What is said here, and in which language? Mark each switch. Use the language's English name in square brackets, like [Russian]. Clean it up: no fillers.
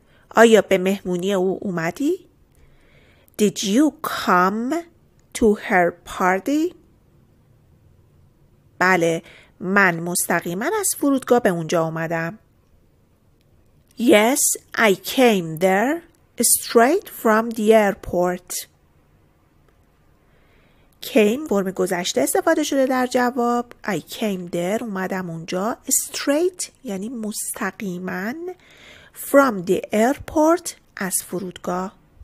[Persian] آیا به مهمونی او اومدی؟ [English] Did you come to her party؟ [Persian] بله، من مستقیما از فرودگاه به اونجا اومدم. [English] Yes, I came there straight from the airport. [Persian] Came فرم گذشته استفاده شده در جواب. [English] I came there، [Persian] اومدم اونجا. Straight یعنی مستقیماً. [English] From the airport، [Persian] از فرودگاه.